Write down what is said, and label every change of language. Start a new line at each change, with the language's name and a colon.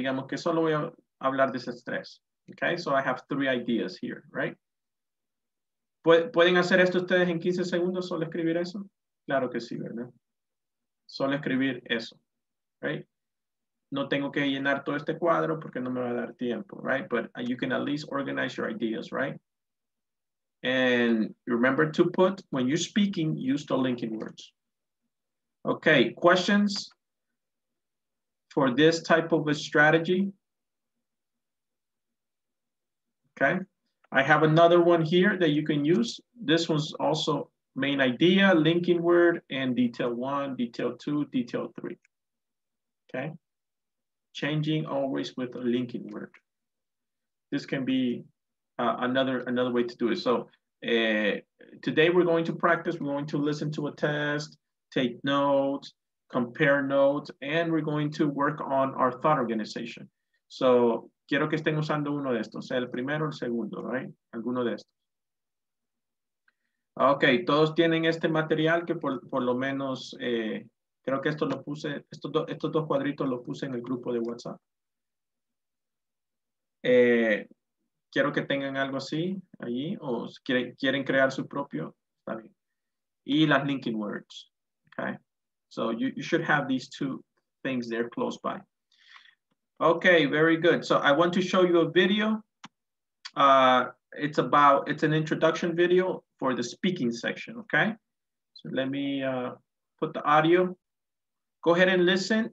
Spanish: Digamos que solo voy a hablar de ese estrés.
English: Okay, so I have three ideas here, right?
Spanish: ¿Pueden hacer esto ustedes en 15 segundos, solo escribir eso? Claro que sí, ¿verdad? Solo escribir eso, right? No tengo que llenar todo este cuadro porque no me va a dar tiempo, right?
English: But you can at least organize your ideas, right? And remember to put, when you're speaking, use the linking words. Okay, questions? For this type of a strategy. Okay. I have another one here that you can use. This one's also main idea, linking word, and detail one, detail two, detail three. Okay. Changing always with a linking word. This can be another way to do it. So today we're going to practice. We're going to listen to a test, take notes, compare notes, and we're going to work on our thought organization.
Spanish: So, quiero que estén usando uno de estos, sea el primero o el segundo, right? Alguno de estos. Okay, todos tienen este material que por lo menos, creo que esto lo puse, estos dos cuadritos los puse en el grupo de WhatsApp. Quiero que tengan algo así, allí, o quieren crear su propio, está bien. Y las linking words, okay?
English: So you should have these two things there close by. Okay, very good. So I want to show you a video. It's an introduction video for the speaking section, okay? So let me put the audio. Go ahead and listen.